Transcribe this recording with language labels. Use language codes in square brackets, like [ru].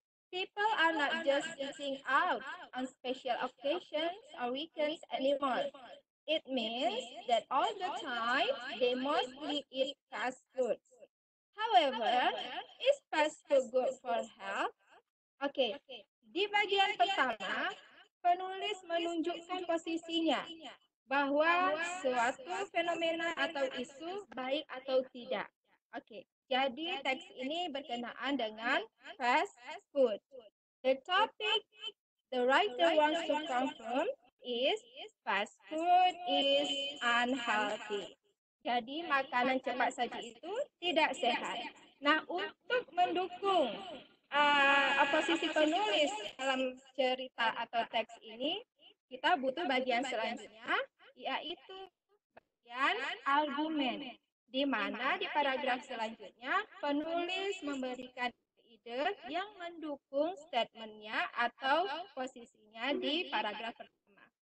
[en] People are not just eating out on special occasions or weekends anymore. It means that all the time they mostly eat fast food. However, is fast food good for health? [id] Okay, di bagian pertama, penulis menunjukkan posisinya bahwa suatu fenomena atau isu baik atau tidak. Okay. Jadi, teks ini berkenaan dengan fast food. [en] The topic the writer wants to confirm is fast food is unhealthy. [id] Jadi, makanan cepat saji itu tidak sehat. Nah, untuk mendukung posisi penulis dalam cerita atau teks ini, kita butuh bagian selanjutnya, yaitu bagian argumen, di mana di paragraf selanjutnya penulis memberikan ide yang mendukung statementnya atau posisinya di paragraf pertama.